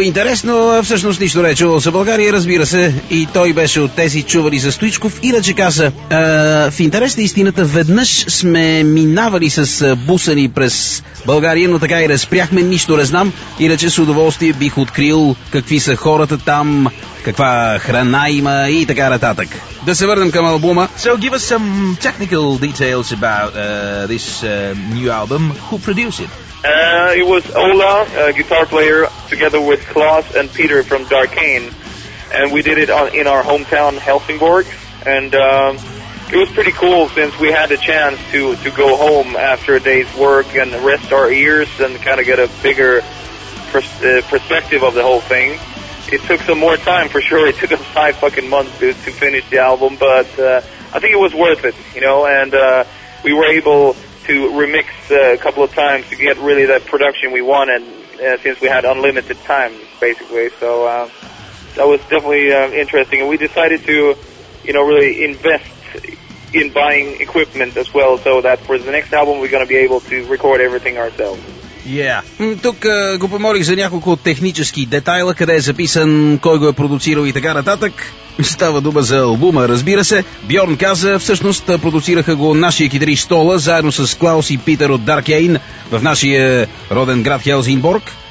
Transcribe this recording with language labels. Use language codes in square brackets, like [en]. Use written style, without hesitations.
[bg] интересно, всъщност нищо не е чувал за България, разбира се, и той беше от тези чували за Стоичков, иначе каза, в интерес на истината, веднъж сме минавали с бусани през България, но така и разпряхме, нищо не знам, иначе с удоволствие бих открил какви са хората там, каква храна има и така нататък. Да се върнем към албума. [en] So give us some technical details about this new album. Who produced it? It was Ola, a guitar player, together with Klaus and Peter from Darkane. And we did it in our hometown, Helsingborg. And it was pretty cool since we had a chance to go home after a day's work and rest our ears and kind of get a bigger perspective of the whole thing. It took some more time, for sure. It took us 5 fucking months to finish the album, but I think it was worth it, you know? And we were able to remix a couple of times to get really that production we wanted since we had unlimited time, basically. So that was definitely interesting. And we decided to, you know, really invest in buying equipment as well, so that for the next album we're going to be able to record everything ourselves. Yeah. [bg] Тук го помолих за няколко технически детайла, къде е записан, кой го е продуцирал и така нататък. Става дума за албума, разбира се. Бьорн каза, всъщност продуцираха го нашия кидри Стола, заедно с Клаус и Питер от Даркейн, в нашия роден град Хелзинборг.